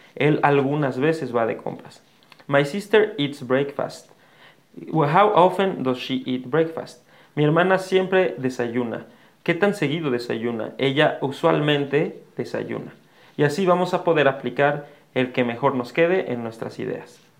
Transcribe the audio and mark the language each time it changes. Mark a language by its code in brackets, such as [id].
[es] Él algunas veces va de compras. [en] My sister eats breakfast. Well, how often does she eat breakfast? [es] Mi hermana siempre desayuna. ¿Qué tan seguido desayuna? Ella usualmente desayuna. Y así vamos a poder aplicar el que mejor nos quede en nuestras ideas.